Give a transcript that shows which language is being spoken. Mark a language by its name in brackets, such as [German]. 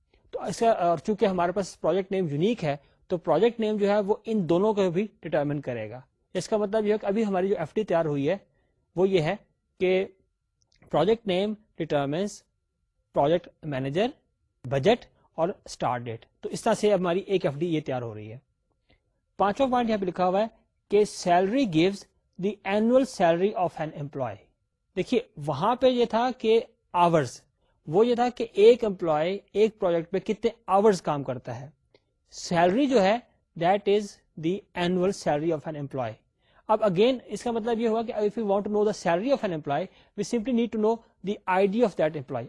[Urdu] تو اس کا, اور چونکہ ہمارے پاس پروجیکٹ نیم یونیک ہے تو پروجیکٹ نیم جو ہے وہ ان دونوں کو بھی ڈیٹرمن کرے گا. اس کا مطلب یہ ہے کہ ابھی ہماری جو ایف ڈی تیار ہوئی ہے وہ یہ ہے کہ project name determines project manager, budget اور اسٹارٹ ڈیٹ. تو اس طرح سے ہماری ایک ایف ڈی یہ تیار ہو رہی ہے. پانچواں پوائنٹ یہاں پہ لکھا ہوا ہے کہ [English] Salary gives the annual salary of an employee. [Urdu] دیکھیے وہاں پہ یہ تھا کہ آورز, وہ یہ تھا کہ ایک امپلائی ایک پروجیکٹ پہ کتنے آورز کام کرتا ہے. سیلری جو ہے [English] That is the annual salary of an employee. [Urdu] اب اگین اس کا مطلب یہ ہوا کہ [English] if we want to know the salary of an employee, we simply need to know the ID of that employee.